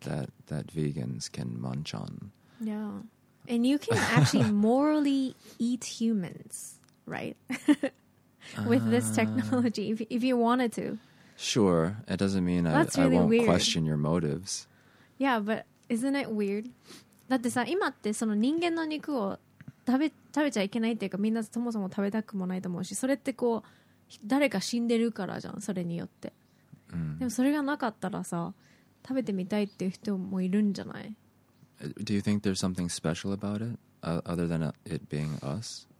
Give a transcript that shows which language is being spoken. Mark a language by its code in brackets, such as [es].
[en] That vegans can munch on. Yeah. And you can actually morally eat humans, right? With this technology, if you wanted to. Sure. It doesn't mean I won't question your motives. Yeah, but isn't it weird? [ja] だってさ、今ってその人間の肉を食べちゃいけないっていうかみんなそもそも食べたくもないと思うしそれってこう誰か死んでるからじゃんそれによって、うん、でもそれがなかったらさ食べてみたいっていう人もいるんじゃない [en] Do you think there's something special about it other than it being us?